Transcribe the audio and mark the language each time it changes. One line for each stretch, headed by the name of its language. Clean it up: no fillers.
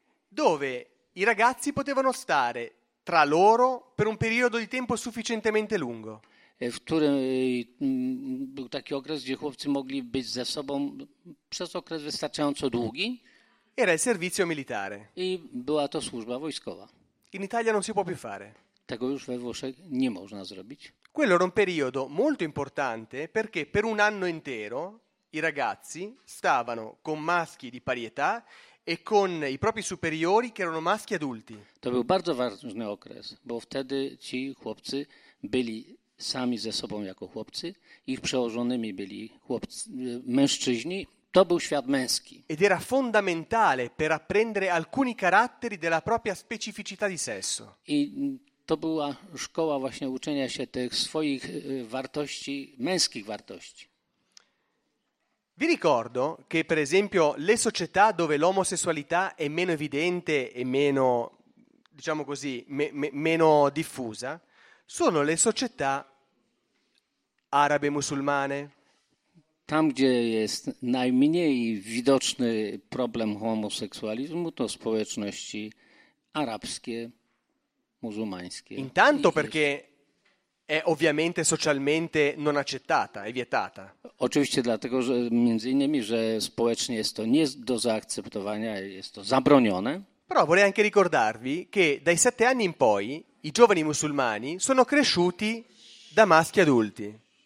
Italian: Dove i ragazzi potevano stare tra loro per un periodo di tempo sufficientemente lungo.
Polish: W którym był taki okres, gdzie chłopcy mogli być ze sobą przez okres wystarczająco długi.
Italian: Era il servizio militare.
Polish: I była to służba wojskowa.
Italian: In Italia non si può più fare.
Polish: Tego już we Włoszech nie można zrobić.
Italian: Quello era un periodo molto importante perché per un anno intero i ragazzi stavano con maschi di pari età e con i propri superiori che erano maschi adulti.
Polish: To był bardzo ważny okres, bo wtedy ci chłopcy byli sami ze sobą jako chłopcy, ich przełożonymi byli chłopcy, mężczyźni. To był świat męski.
Italian: Ed era fondamentale per apprendere alcuni caratteri della propria specificità di sesso.
Polish: I to była szkoła właśnie uczenia się tych swoich wartości, męskich wartości.
Italian: Vi ricordo che, per esempio, le società dove l'omosessualità è meno evidente e meno, diciamo così, meno diffusa, sono le società arabe-musulmane.
Polish: Tam, gdzie jest najmniej widoczny problem homoseksualizmu, to społeczności arabskie, muzułmańskie.
Italian: Intanto perché è ovviamente socialmente non accettata, è vietata.
Polish: Oczywiście dlatego, że między innymi, że społecznie jest to nie do zaakceptowania, jest to zabronione.
Italian: Però vorrei anche ricordarvi che dai 7 anni in poi i giovani musulmani sono cresciuti da maschi adulti.